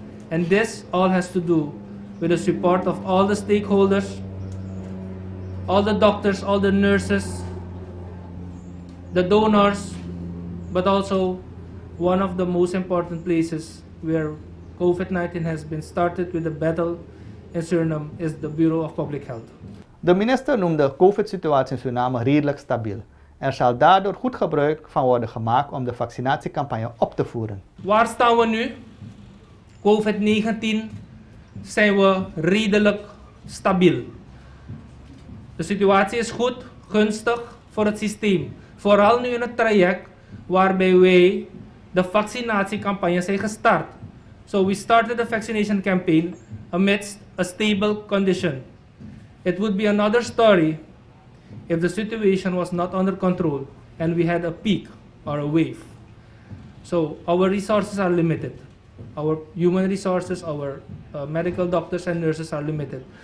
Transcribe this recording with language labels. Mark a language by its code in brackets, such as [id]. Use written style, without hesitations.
[en] And this all has to do with the support of all the stakeholders, all the doctors, all the nurses, the donors, but also one of the most important places where COVID-19 has been started with the battle in Suriname is the Bureau of Public Health. [nl] De minister noemde de COVID-situatie in Suriname redelijk stabiel. Er zal daardoor goed gebruik van worden gemaakt om de vaccinatiecampagne op te voeren. Waar staan we nu? COVID-19 zijn we redelijk stabiel. De situatie is goed, gunstig voor het systeem. Vooral nu in het traject waarbij wij de vaccinatiecampagne zijn gestart. [en] So we started the vaccination campaign amidst a stable condition. It would be another story if the situation was not under control and we had a peak or a wave. So our resources are limited. Our human resources, our medical doctors and nurses are limited.